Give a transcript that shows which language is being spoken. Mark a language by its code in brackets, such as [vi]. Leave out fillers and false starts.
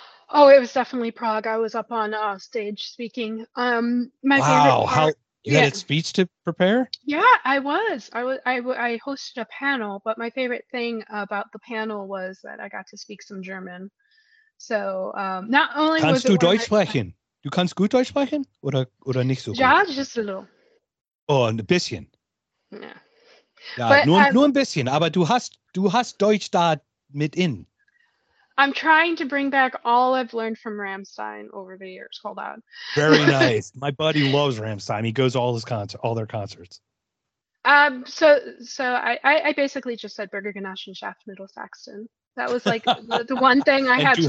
[en] Oh, it was definitely Prague. I was up on stage speaking. My wow, favorite part, how, you yeah. had a speech to prepare? Yeah, I was. I hosted a panel, but my favorite thing about the panel was that I got to speak some German. So not only [de] kannst [en] was it [de] du Deutsch sprechen? Du kannst gut Deutsch sprechen oder nicht so gut? [en] Ja, just a little. [de] Oh, ein bisschen. [en] Yeah. [de] Ja, nur ein bisschen, aber du hast Deutsch da mit in. [en] I'm trying to bring back all I've learned from Rammstein over the years. Hold on. Very nice. My buddy loves Rammstein. He goes to all their concerts. So I basically just said Burger Ganache and Shaft Middle Saxon. That was like the one thing I had to